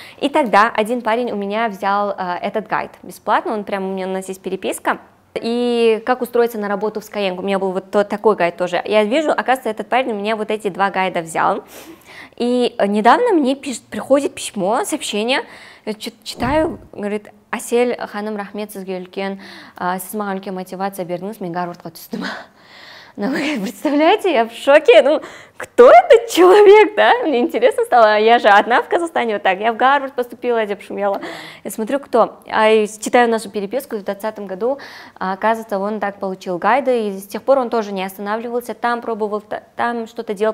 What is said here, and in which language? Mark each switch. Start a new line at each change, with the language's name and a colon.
Russian: И тогда один парень у меня взял этот гайд бесплатно, он прямо у меня, у нас есть переписка. И как устроиться на работу в Skyeng, у меня был вот такой гайд тоже. Я вижу, оказывается, этот парень у меня вот эти 2 гайда взял. И недавно мне приходит письмо, сообщение, я читаю, говорит...
Kazakh: Асель ханым рахмет сізге үлкен, сіз маған үлкен мотивация бердіңіз, мен Гарвардқа түстім.
Russian: Ну, вы представляете, я в шоке, ну, кто этот человек, да? Мне интересно стало, я же одна в Казахстане, вот так, я в Гарвард поступила, я пошумела. Я смотрю, кто, а читаю нашу переписку, в 2020 году, оказывается, он так получил гайды, и с тех пор он тоже не останавливался, там пробовал, там что-то делал.